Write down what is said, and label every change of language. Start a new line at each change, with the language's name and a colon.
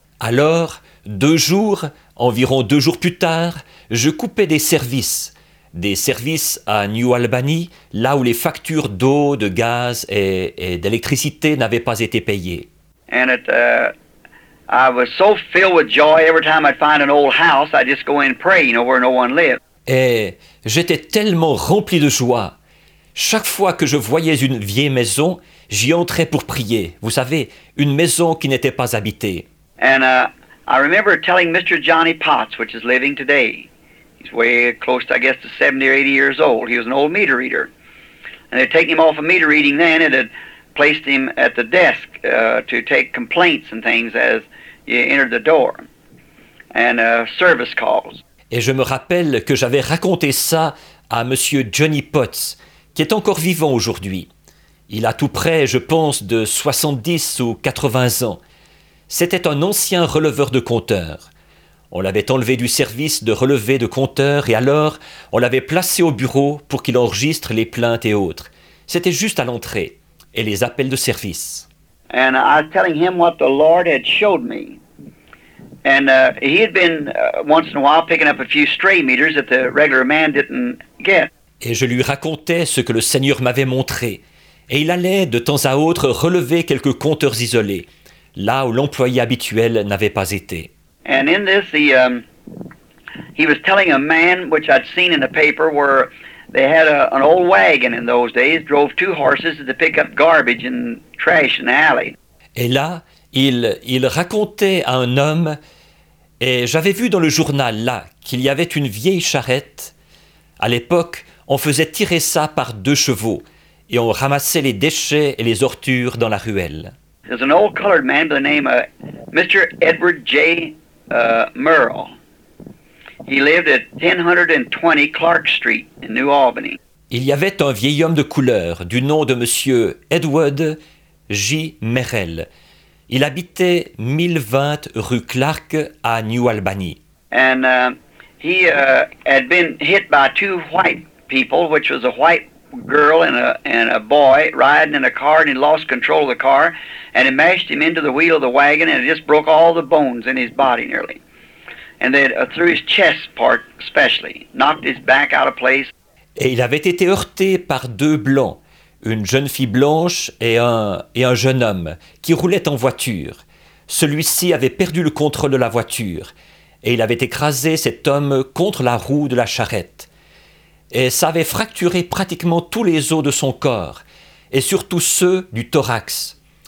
French: Alors, environ deux jours plus tard, je coupais des services à New Albany, là où les factures d'eau, de gaz et d'électricité n'avaient pas été payées.
English: And I was so filled with joy every time I'd find an old house, I'd just go in and pray, you know, where no one lived.
French: Et j'étais tellement rempli de joie. Chaque fois que je voyais une vieille maison, j'y entrais pour prier. Vous savez, une maison qui n'était pas habitée.
English: And I remember telling Mr. Johnny Potts, which is living today. He's way close, I guess, to 70 or 80 years old. He was an old meter reader. And they'd taken him off of meter reading then and had placed him at the desk to take complaints and things as you entered the door. And service calls.
French: Et je me rappelle que j'avais raconté ça à Monsieur Johnny Potts, qui est encore vivant aujourd'hui. Il a tout près, je pense, de 70 ou 80 ans. C'était un ancien releveur de compteurs. On l'avait enlevé du service de relevé de compteurs et alors on l'avait placé au bureau pour qu'il enregistre les plaintes et autres. C'était juste à l'entrée et les appels de service.
English: And I was telling him what the Lord had showed me. And he had been once in a while picking up a few stray meters that the regular man didn't get.
French: Et je lui racontais ce que le Seigneur m'avait montré. Et il allait de temps à autre relever quelques compteurs isolés, là où l'employé habituel n'avait pas été.
English: And in this, he, He was telling a man, which I'd seen in the paper, where they had an old wagon in those days, drove two horses to pick up garbage and trash in the alley.
French: Et là, il racontait à un homme, et j'avais vu dans le journal là, qu'il y avait une vieille charrette. À l'époque, on faisait tirer ça par deux chevaux, et on ramassait les déchets et les ordures dans la ruelle.
English: There's an old colored man by the name of Mr. Edward J. Murrell. He lived at 1020 Clark Street in New Albany.
French: Il y avait un vieil homme de couleur du nom de Monsieur Edward J. Merrell. Il habitait 1020 rue Clark à New Albany.
English: And he had been hit by two white people, which was a white girl and a boy riding in a car, and he lost control of the car, and it mashed him into the wheel of the wagon, and it just broke all the bones in his body nearly. And then through his chest part especially, knocked his back out of place.
French: Et il avait été heurté par deux blancs, une jeune fille blanche et un jeune homme qui roulait en voiture. Celui-ci avait perdu le contrôle de la voiture et il avait écrasé cet homme contre la roue de la charrette. Et ça avait fracturé pratiquement tous les os de son corps et surtout ceux du thorax.